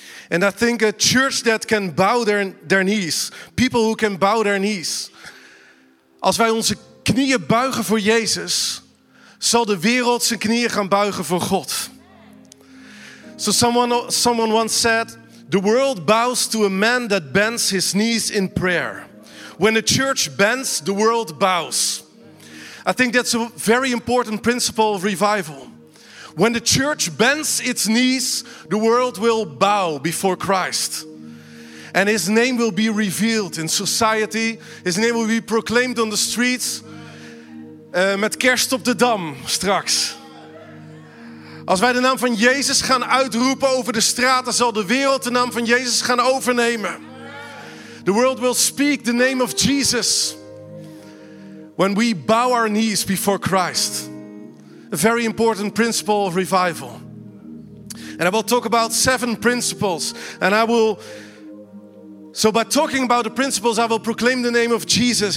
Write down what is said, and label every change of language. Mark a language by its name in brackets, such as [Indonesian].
[English] And I think a church that can bow their knees. People who can bow their knees. [Dutch] Als wij onze knieën buigen voor Jezus, zal de wereld zijn knieën gaan buigen voor God. [English] So someone once said, the world bows to a man that bends his knees in prayer. When a church bends, the world bows. I think that's a very important principle of revival. When the church bends its knees, the world will bow before Christ. And his name will be revealed in society. His name will be proclaimed on the streets. [Dutch] Met kerst op de dam straks. Als wij de naam van Jezus gaan uitroepen over de straten, zal de wereld de naam van Jezus gaan overnemen. [English] The world will speak the name of Jesus. When we bow our knees before Christ. A very important principle of revival. And I will talk about 7 principles. And I will... So by talking about the principles, I will proclaim the name of Jesus.